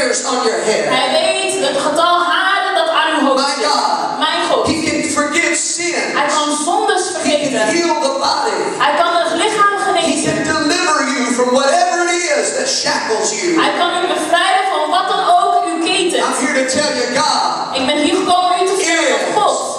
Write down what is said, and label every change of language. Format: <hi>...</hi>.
<nl>Hij weet het getal haren dat aan uw hoofd zit. Mijn God.</nl> <en>He can forgive sins.</en> <nl>Hij kan zondes vergeven.</nl> <en>He can heal the body.</en> <nl>Hij kan het lichaam genezen.</nl> <en>He can deliver you from whatever it is that shackles you.</en> <nl>Hij kan u bevrijden van wat dan ook u ketent.</nl> <en>I'm here to tell you, God.</en> <nl>Ik ben hier gekomen om u te vertellen dat God</nl>